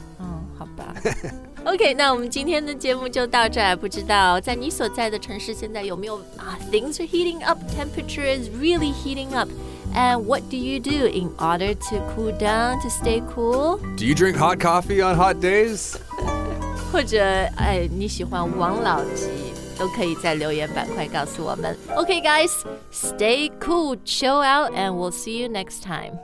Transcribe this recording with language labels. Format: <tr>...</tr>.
<zh>嗯，好吧。OK， 那我们今天的节目就到这儿。不知道在你所在的城市现在有没有啊 ？</zh> <en>Things are heating up. Temperature is really heating up. And what do you do in order to cool down to stay cool? Do you drink hot coffee on hot days?</en> <zh>或者哎，你喜欢王老吉？都可以在留言板块告诉我们。</zh> <en>OK, guys, stay cool, chill out, and we'll see you next time.</en>